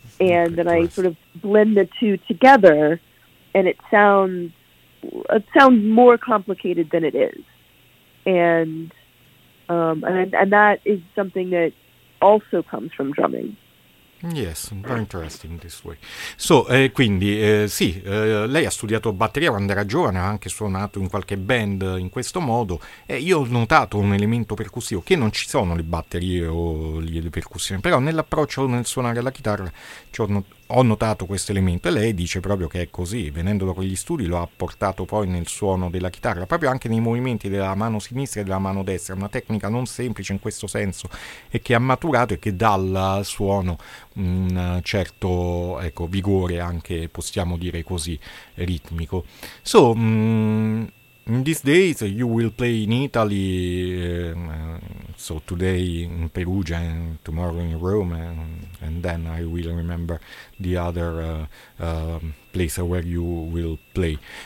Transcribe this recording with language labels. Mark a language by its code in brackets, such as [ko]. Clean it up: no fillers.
[en] And then I sort of blend the two together and it sounds more complicated than it is. And that is something that also comes from drumming. Yes, very interesting this way. [it] So, quindi, sì, lei ha studiato batteria quando era giovane, ha anche suonato in qualche band in questo modo, e io ho notato un elemento percussivo, che non ci sono le batterie o le percussioni, però nell'approccio nel suonare la chitarra ho notato questo elemento, e lei dice proprio che è così, venendo da quegli studi lo ha portato poi nel suono della chitarra, proprio anche nei movimenti della mano sinistra e della mano destra, una tecnica non semplice in questo senso, e che ha maturato e che dà al suono un certo, ecco, vigore anche, possiamo dire così, ritmico. [en] So, in these days you will play in Italy, so today in Perugia and tomorrow in Rome, and then I will remember the other place where you will play.